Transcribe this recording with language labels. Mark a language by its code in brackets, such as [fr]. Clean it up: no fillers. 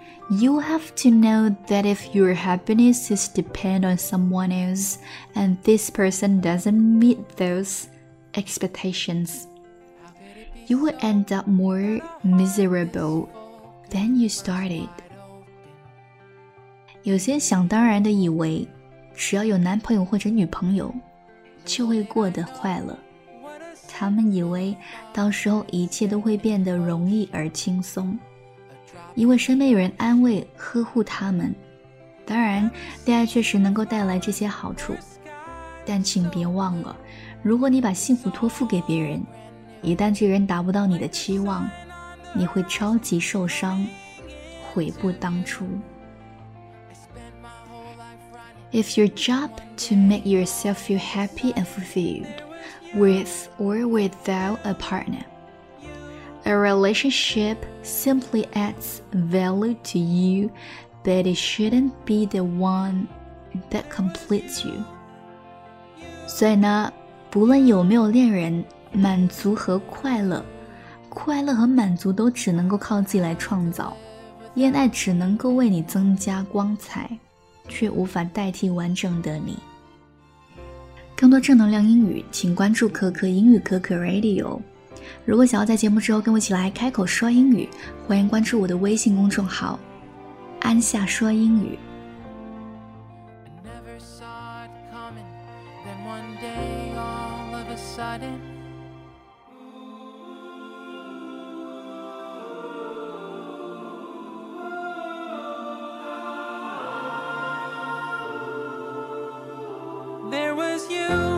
[en] You have to know that if your happiness is dependent on someone else and this person doesn't meet those expectations, you will end up more miserable than you started. [zh] 有些想当然的以为只要有男朋友或者女朋友就会过得快乐，他们以为到时候一切都会变得容易而轻松，因为身边有人安慰呵护他们。当然恋爱确实能够带来这些好处，但请别忘了，如果你把幸福托付给别人，一旦这人达不到你的期望，你会超级受伤，悔不当初。 [en] If your job to make yourself feel happy and fulfilledWith or without a partner, a relationship simply adds value to you, but it shouldn't be the one that completes you. [zh] 所以呢，不论有没有恋人，满足和快乐，快乐和满足都只能够靠自己来创造。恋爱只能够为你增加光彩，却无法代替完整的你。更多正能量英语请关注可可英语可可 Radio。如果想要在节目之后跟我一起来开口说英语，欢迎关注我的微信公众号安夏说英语。 [en] I never saw it coming, then one day all of a sudden There was you